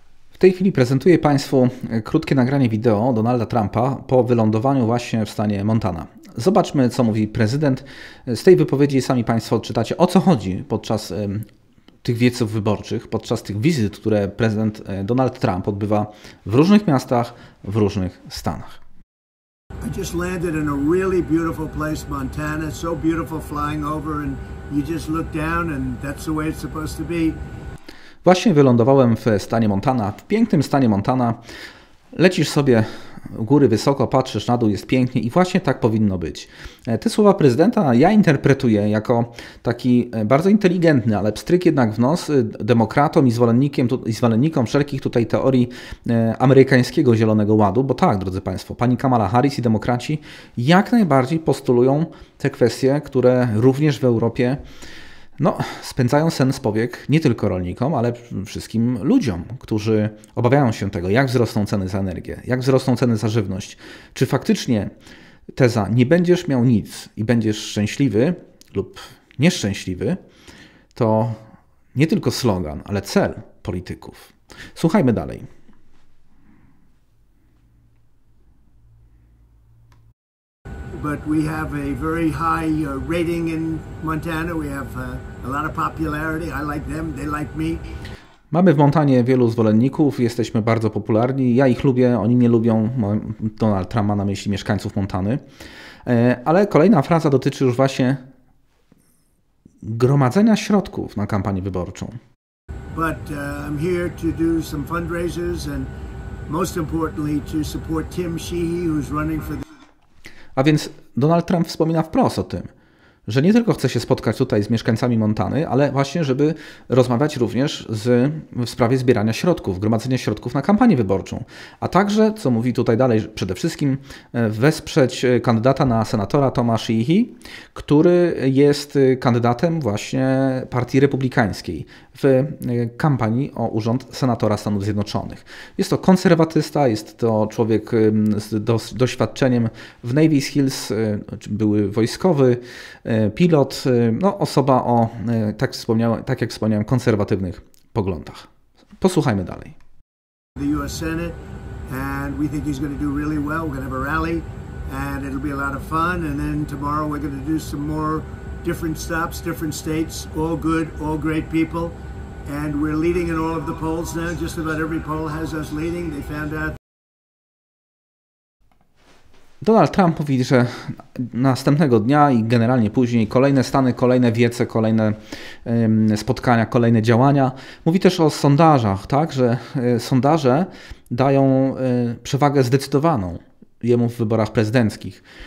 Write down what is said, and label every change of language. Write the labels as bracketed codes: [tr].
[pl] W tej chwili prezentuję Państwu krótkie nagranie wideo Donalda Trumpa po wylądowaniu właśnie w stanie Montana. Zobaczmy, co mówi prezydent. Z tej wypowiedzi sami Państwo odczytacie, o co chodzi podczas tych wieców wyborczych, podczas tych wizyt, które prezydent Donald Trump odbywa w różnych miastach, w różnych stanach. [en] I just landed in a really beautiful place, Montana. So beautiful flying over and you just look down and that's the way it's supposed to be. [pl] Właśnie wylądowałem w stanie Montana, w pięknym stanie Montana. Lecisz sobie góry wysoko, patrzysz na dół, jest pięknie i właśnie tak powinno być. Te słowa prezydenta ja interpretuję jako taki bardzo inteligentny, ale pstryk jednak w nos demokratom i zwolennikom wszelkich tutaj teorii amerykańskiego Zielonego Ładu, bo tak, drodzy Państwo, pani Kamala Harris i demokraci jak najbardziej postulują te kwestie, które również w Europie spędzają sen z powiek nie tylko rolnikom, ale wszystkim ludziom, którzy obawiają się tego, jak wzrosną ceny za energię, jak wzrosną ceny za żywność. Czy faktycznie teza nie będziesz miał nic i będziesz szczęśliwy lub nieszczęśliwy, to nie tylko slogan, ale cel polityków. Słuchajmy dalej. [en] But we have a very high rating in Montana. We have a lot of popularity. I like them, they like me. [pl] Mamy w Montanie wielu zwolenników, jesteśmy bardzo popularni. Ja ich lubię, oni mnie lubią. Donald Trump ma na myśli mieszkańców Montany. Ale kolejna fraza dotyczy już właśnie gromadzenia środków na kampanię wyborczą. [en] But I'm here to do some fundraisers and most importantly to support Tim Sheehy, who's running for the... [pl] A więc Donald Trump wspomina wprost o tym, że nie tylko chce się spotkać tutaj z mieszkańcami Montany, ale właśnie, żeby rozmawiać również w sprawie zbierania środków, gromadzenia środków na kampanię wyborczą. A także, co mówi tutaj dalej, przede wszystkim wesprzeć kandydata na senatora Toma Sheehy, który jest kandydatem właśnie Partii Republikańskiej w kampanii o urząd senatora Stanów Zjednoczonych. Jest to konserwatysta, jest to człowiek z doświadczeniem w Navy Seals, były wojskowy, pilot, osoba o, tak jak wspomniałem, konserwatywnych poglądach. Posłuchajmy dalej. [en] The US Senate, and we think he's going to do really well. We're going to have a rally, and it'll be a lot of fun. And then tomorrow we're going to do some more different stops, different states, all good, all great people. And we're leading in all of the polls now. Just about every poll has us leading. They found out. [pl] Donald Trump mówi, że następnego dnia i generalnie później kolejne stany, kolejne wiece, kolejne spotkania, kolejne działania. Mówi też o sondażach, tak, że sondaże dają przewagę zdecydowaną jemu w wyborach prezydenckich.